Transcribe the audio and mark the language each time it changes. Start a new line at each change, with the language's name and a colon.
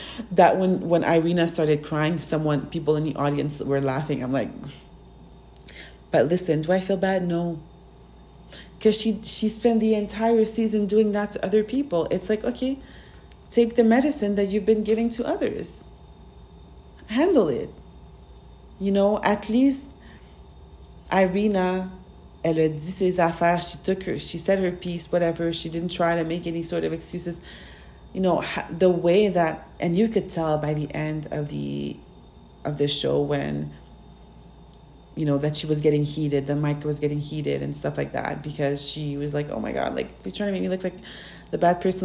English: That when Irina started crying, people in the audience were laughing. I'm like, but listen, do I feel bad? No. Because she spent the entire season doing that to other people. It's like, okay, take the medicine that you've been giving to others. Handle it. At least
French: Irina, elle a dit ses affaires.
English: She said her piece, whatever. She didn't try to make any sort of excuses. The way that, and you could tell by the end of the show when, that she was getting heated, the mic was getting heated and stuff like that, because she was like, oh my God, like they're trying to make me look like the bad person.